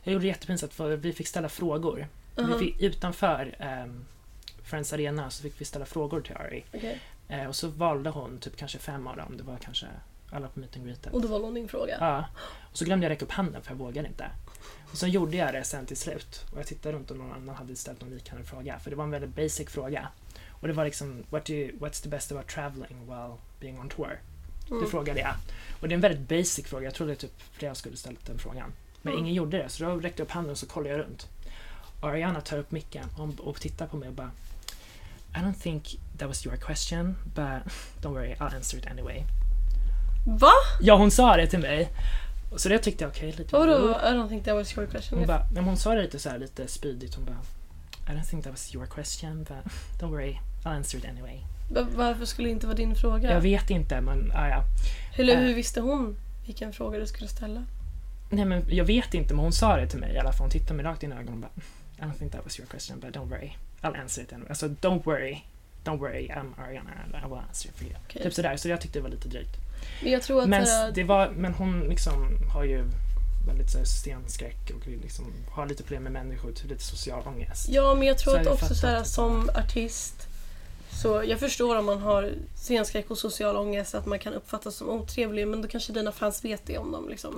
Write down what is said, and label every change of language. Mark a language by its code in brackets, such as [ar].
[sv] Jag gjorde det jättepinsamt för vi fick ställa frågor. Vi fick, utanför Friends Arena så fick vi ställa frågor till Ari. Och så valde hon typ kanske fem av dem. Det var kanske alla på meet and greetet. Och då valde hon din fråga? Ja. Och så glömde jag räcka upp handen för jag vågade inte. Och så gjorde jag det sen till slut. Och jag tittade runt om någon annan hade ställt en liknande fråga. För det var en väldigt basic fråga. Och det var liksom, [en] what's the best about traveling while being on tour? [sv] Det frågade jag. Och det är en väldigt basic fråga. Jag trodde typ flera skulle ställa den frågan. Men ingen gjorde det. Så då räckte jag upp handen och så kollade jag runt. Ariana tar upp micken och tittar på mig och bara, [en] I don't think that was your question, but don't worry, I'll answer it anyway. [sv] Va? Ja, hon sa det till mig. Så det tyckte jag okej. Okay, lite. [en] Vadå, I don't think that was your question. [sv] Hon bara, men hon sa det lite så här, lite spydigt. Hon bara, [en] I don't think that was your question, but don't worry, I'll answer it anyway. [sv] Varför skulle det inte vara din fråga? Jag vet inte, men ja. Hur visste hon vilken fråga du skulle ställa? Nej, men jag vet inte, men hon sa det till mig i alla fall. Hon tittade mig rakt i ögonen och bara, [en] I don't think that was your question, but don't worry, I'll answer it anyway. Alltså, don't worry, I'm Ariana, I will answer it for you. Okay. [sv] Typ sådär, så jag tyckte det var lite drygt. Men jag tror att... Men hon liksom har ju väldigt så här systemskräck och liksom har lite problem med människor, typ lite social ångest. Ja, men jag tror så att jag också såhär, som artist... Så jag förstår om man har scenskräck och social ångest att man kan uppfattas som otrevlig, men då kanske dina fans vet det om dem liksom.